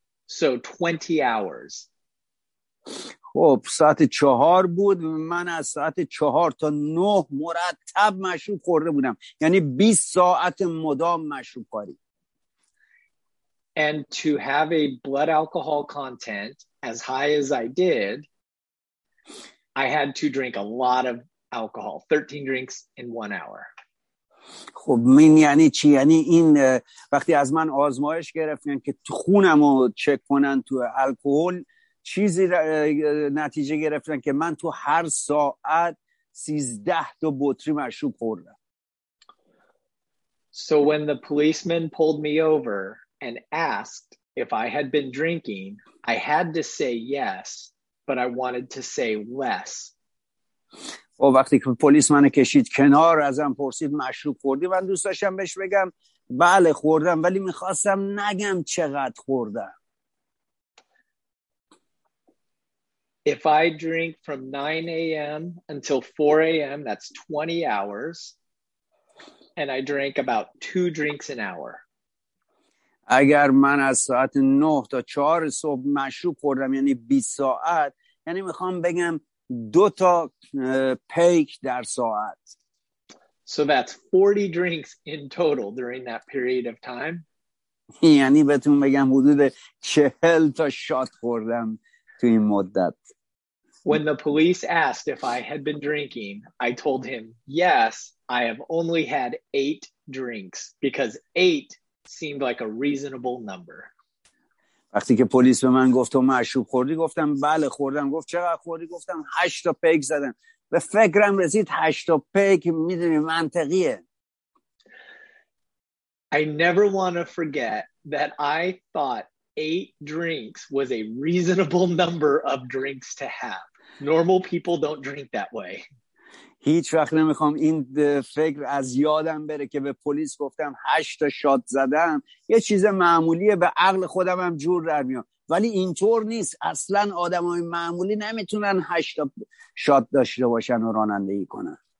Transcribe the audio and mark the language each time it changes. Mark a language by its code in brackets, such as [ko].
[en] So 20 hours. [fa] خب ساعت 4 بود من از ساعت 4 تا 9 مرتب مشروب خورده بودم یعنی 20 ساعت مدام مشروب خوری. [en] And to have a blood alcohol content as high as I did, I had to drink a lot of alcohol, 13 drinks in 1 hour. [fa] خب من یعنی چی؟ یعنی این وقتی از من آزمایش گرفتن که خونم رو چک کنن تو الکل چیزی نتیجه گرفتن که من تو هر ساعت 13 تا بطری مشروب خوردم. [en] So when the policeman pulled me over and asked if I had been drinking, I had to say yes, but I wanted to say less. [fa] و وقتی که پلیس منو کشید کنار ازم پرسید مشروب خوردی من دوست داشتم بهش بگم بله خوردم ولی میخواستم نگم چقدر خوردم. [en] If I drink from 9 a.m. until 4 a.m. that's 20 hours and I drank about 2 drinks an hour. [fa] اگر من از ساعت 9 تا 4 صبح مشروب خوردم یعنی 20 ساعت یعنی میخوام بگم 2 تا پیک در ساعت. [en] So that's 40 drinks in total during that period of time. [fa] یعنی بهتون بگم حدود 40 تا شات خوردم تو این مدت. [en] When the police asked if I had been drinking, I told him, yes, I have only had 8 drinks, because 8 seemed like a reasonable number. [fa] وقتی که پلیس به من گفت تو مشروب خوردی گفتم بله خوردم. گفت چقدر خوردی؟ گفتم 8 تا پیک زدم. به فکرم رسید 8 تا پیک میدونی منطقیه. [en] I never want to forget that I thought 8 drinks was a reasonable number of drinks to have. Normal people don't drink that way. [fa] هیچ وقت نمیخوام این فکر از یادم بره که به پلیس گفتم 8 تا شات زدم. یه چیز معمولیه به عقل خودم هم جور در میاد. ولی اینطور نیست. اصلا آدم های معمولی نمیتونن 8 تا شات داشته باشن و رانندگی کنن.